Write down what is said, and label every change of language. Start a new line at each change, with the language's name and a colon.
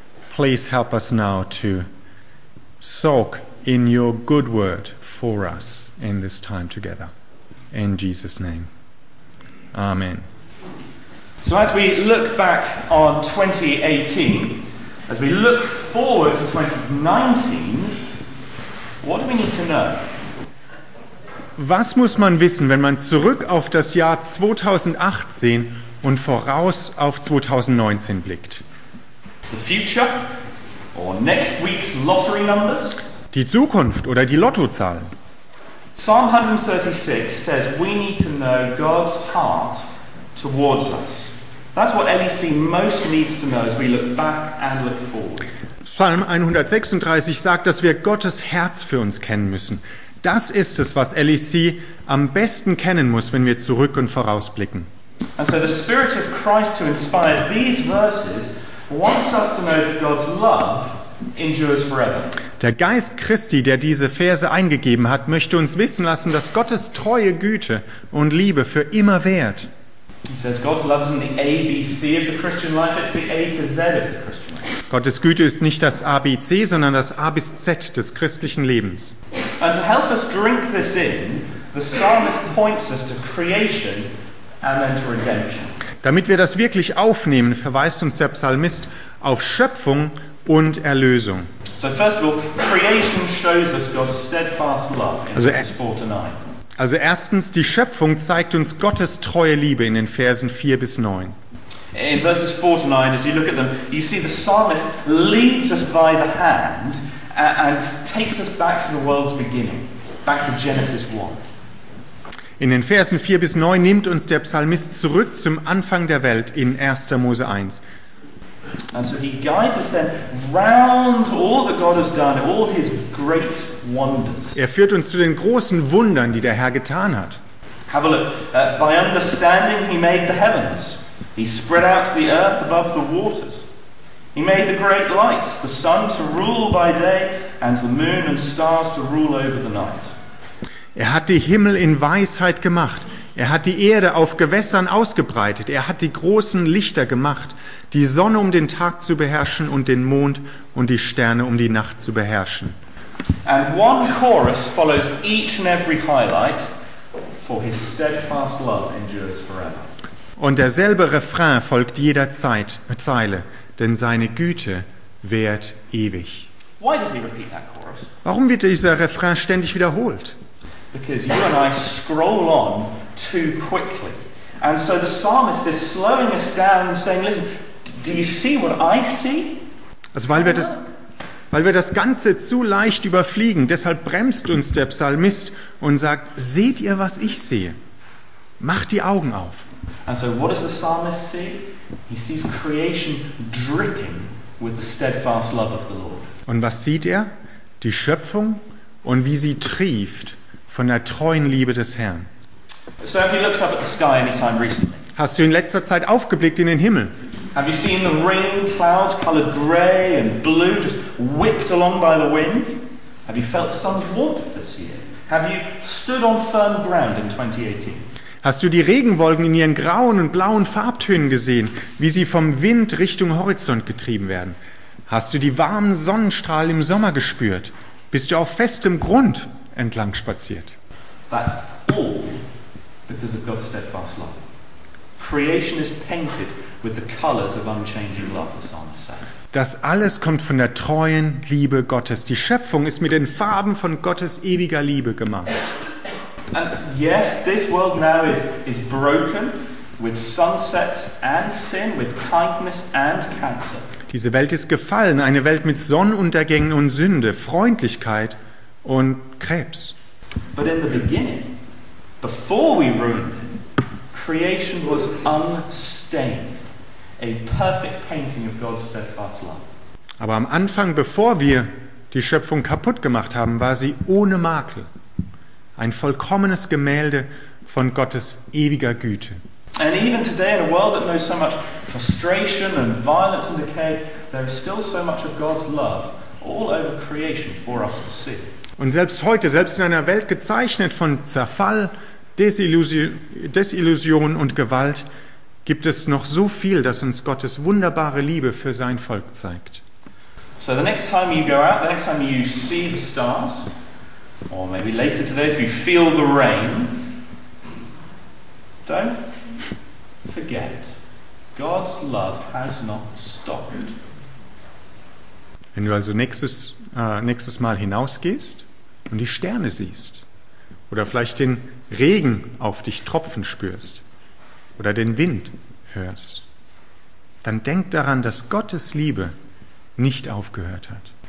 English: Please help us now to soak in your good word for us in this time together. In Jesus' name. Amen. So as we look back on 2018, as we look forward to 2019, what do we need to know?
German: Was muss man wissen, wenn man zurück auf das Jahr 2018 und voraus auf 2019 blickt?
English: The future or next week's lottery numbers?
German: Die Zukunft oder die Lottozahlen?
English: Psalm 136 says we need to know God's heart towards us. That's what LEC most needs to know as we look back and look forward.
German: Psalm 136 sagt, dass wir Gottes Herz für uns kennen müssen. Das ist es, was LEC am besten kennen muss, wenn wir zurück und vorausblicken.
English: And so the Spirit of Christ who inspired these verses wants us to know that God's love endures forever.
German: Der Geist Christi, der diese Verse eingegeben hat, möchte uns wissen lassen, dass Gottes treue Güte und Liebe für immer währt.
English: He says God's love isn't the A, B, C of the Christian life, it's the A to Z of the Christian life.
German: Gottes Güte ist nicht das A, B, C, sondern das A bis Z des christlichen Lebens.
English: And to help us drink this in, the psalmist points us to creation and then to redemption.
German: Damit wir das wirklich aufnehmen, verweist uns der Psalmist auf Schöpfung und Erlösung.
English: So first of all, creation shows us God's steadfast love in verses 4 to 9.
German: Also erstens, die Schöpfung zeigt uns Gottes treue Liebe in den Versen 4 bis 9.
English: In verses 4 to 9, as you look at them, you see the psalmist leads us by the hand and takes us back to the world's beginning, back to Genesis 1.
German: In den Versen 4 bis 9 nimmt uns der Psalmist zurück zum Anfang der Welt in 1. Mose 1.
English: And so he guides us then round all that God has done, all his great wonders.
German: Er führt uns zu den großen Wundern, die der Herr getan hat.
English: Have a look. By understanding he made the heavens. He spread out the earth above the waters. He made the great lights, the sun to rule by day and the moon and stars to rule over the night.
German: Er hat die Himmel in Weisheit gemacht. Er hat die Erde auf Gewässern ausgebreitet. Er hat die großen Lichter gemacht, die Sonne um den Tag zu beherrschen und den Mond und die Sterne um die Nacht zu beherrschen.
English: And one chorus follows each and every highlight, for his steadfast love endures forever.
German: Und derselbe Refrain folgt jeder Zeile, denn seine Güte währt ewig.
English: Why does he repeat that chorus?
German: Warum wird dieser Refrain ständig wiederholt?
English: Because you and I scroll on too quickly. And so the psalmist is slowing us down and saying, listen, do you see what I see?
German: Also weil wir das Ganze zu leicht überfliegen, deshalb bremst uns der Psalmist und sagt, seht ihr, was ich sehe? Macht die Augen auf.
English: And so what does the psalmist see? He sees creation dripping with the steadfast love of the Lord.
German: Und was sieht er? Die Schöpfung und wie sie trieft von der treuen Liebe des Herrn.
English: So if he looks up at the sky anytime recently.
German: Hast du in letzter Zeit aufgeblickt in den Himmel?
English: Have you seen the rain clouds colored gray and blue just whipped along by the wind? Have you felt the sun's warmth this year? Have you stood on firm ground in 2018?
German: Hast du die Regenwolken in ihren grauen und blauen Farbtönen gesehen, wie sie vom Wind Richtung Horizont getrieben werden? Hast du die warmen Sonnenstrahlen im Sommer gespürt? Bist du auf festem Grund entlang spaziert?
English: That's all because of God's steadfast love. Creation is painted with the colors of unchanging love, the psalmist said.
German: Das alles kommt von der treuen Liebe Gottes. Die Schöpfung ist mit den Farben von Gottes ewiger Liebe gemacht.
English: And yes, this world now is broken with sunsets and sin, with kindness and cancer.
German: Diese Welt ist gefallen, eine Welt mit Sonnenuntergängen und Sünde, Freundlichkeit und Krebs.
English: But in the beginning, before we ruined it, creation was unstained, a perfect painting of God's steadfast love.
German: Aber am Anfang, bevor wir die Schöpfung kaputt gemacht haben, war sie ohne Makel. Ein vollkommenes Gemälde von Gottes ewiger Güte.
English: And even today in a world that knows so much frustration and violence and decay, there is still so much of God's love all over creation for us to see.
German: Und selbst heute, selbst in einer Welt gezeichnet von Zerfall, Desillusion und Gewalt, gibt es noch so viel, das uns Gottes wunderbare Liebe für sein Volk zeigt.
English: So the next time you go out, the next time you see the stars, or maybe later today if you feel the rain, don't forget, God's love has not stopped.
German: Wenn du also nächstes Mal hinausgehst und die Sterne siehst, oder vielleicht den Regen auf dich tropfen spürst, oder den Wind hörst, dann denk daran, dass Gottes Liebe nicht aufgehört hat.